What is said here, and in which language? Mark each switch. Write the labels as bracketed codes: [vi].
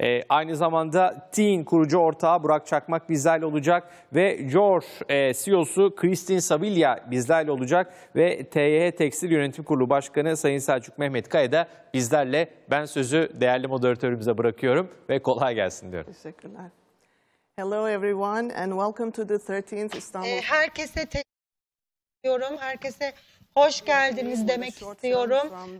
[tr] Aynı zamanda Teen kurucu ortağı Burak Çakmak bizlerle olacak. Ve George CEO'su Christine Savilia bizlerle olacak. Ve TYH Tekstil Yönetim Kurulu Başkanı Sayın Selçuk Mehmet Kaya da bizlerle. Ben sözü değerli moderatörümüze bırakıyorum ve kolay gelsin diyorum. Teşekkürler. [en] Hello everyone and welcome to the 13th Istanbul. [tr] Herkese teşekkür ediyorum. Herkese hoş geldiniz demek istiyorum.